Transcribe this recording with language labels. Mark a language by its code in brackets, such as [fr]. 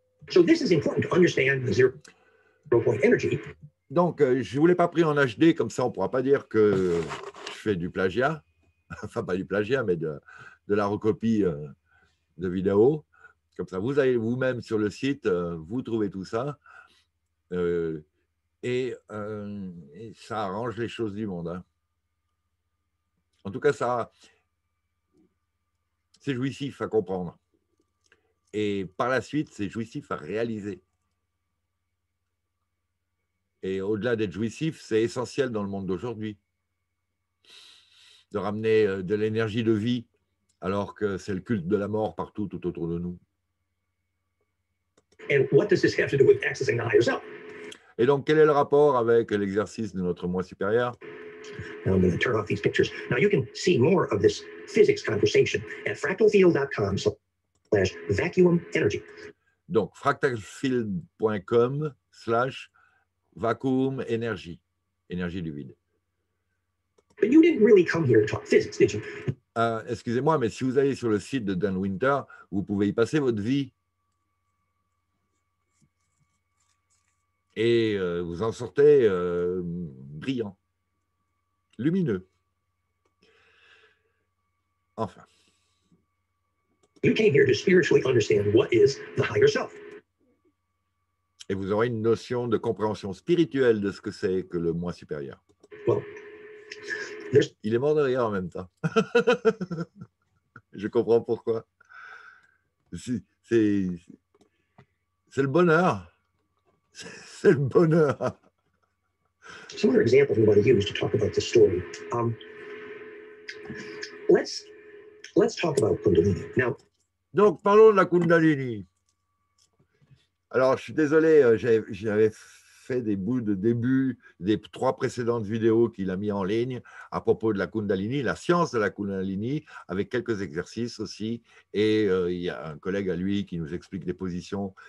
[en] So this is important to understand the zero point energy. [fr] Donc, je ne vous l'ai pas pris en HD, comme ça on ne pourra pas dire que je fais du plagiat. Enfin, pas du plagiat, mais de la recopie de vidéos. Comme ça, vous allez vous-même sur le site, vous trouvez tout ça. Et ça arrange les choses du monde. Hein. En tout cas, ça, c'est jouissif à comprendre. Et par la suite, c'est jouissif à réaliser. Et au-delà d'être jouissif, c'est essentiel dans le monde d'aujourd'hui de ramener de l'énergie de vie alors que c'est le culte de la mort partout, tout autour de nous. [en] And what does this have to do with accessing the higher self? [fr] Et donc, quel est le rapport avec l'exercice de notre moi supérieur? [en] I'm going to turn off these pictures. Now, you can see more of this physics conversation at fractalfield.com/vacuum energy. [fr] Donc, fractalfield.com/vacuum energy. Énergie du vide. [en] But you didn't really come here to talk physics, did you? [fr] Excusez-moi, mais si vous allez sur le site de Dan Winter, vous pouvez y passer votre vie. Et vous en sortez brillant. Lumineux. Enfin. [en] You came here to spiritually understand what is the higher self. [fr] Et vous aurez une notion de compréhension spirituelle de ce que c'est que le moi supérieur. [en] Well, [fr] il est mort de rire en même temps. Je comprends pourquoi. C'est le bonheur. C'est le bonheur. [en] Some other example we want to use to talk about this story. Let's talk about Kundalini. Now, [fr] donc parlons de la Kundalini. Alors, je suis désolé, j'avais fait des bouts de début des trois précédentes vidéos qu'il a mis en ligne à propos de la Kundalini, la science de la Kundalini, avec quelques exercices aussi. Et il y a un collègue à lui qui nous explique des positions.